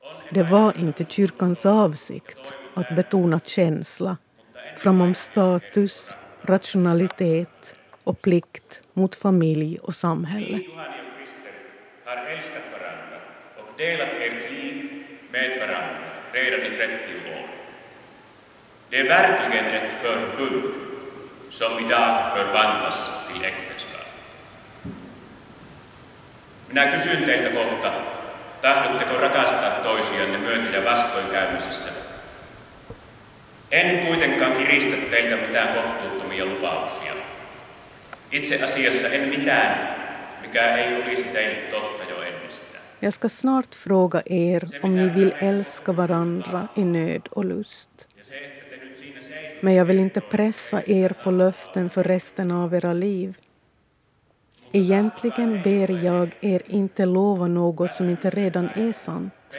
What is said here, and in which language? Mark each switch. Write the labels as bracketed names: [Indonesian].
[Swedish] Det var inte kyrkans avsikt att betona känsla framom status, rationalitet och plikt mot familj och samhälle. Har älskat varandra och delat ert liv med varandra redan i 30 år. Det är verkligen ett förbund som idag förvandlas till äktenskap. [Finnish] Minä kysyn teiltä kohta, tahdotteko rakastaa toisianne myötä ja vastoinkäymisessä? En kuitenkaan kiristä teiltä mitään kohtuuttomia lupauksia. Itse asiassa en mitään, mikä ei olisi teille totta jo ennestään. [Swedish] Jag ska snart fråga er om ni vill älska varandra i nöd och lust. Men jag vill inte pressa er på löften för resten av era liv. Egentligen ber jag er inte lova något som inte redan är sant.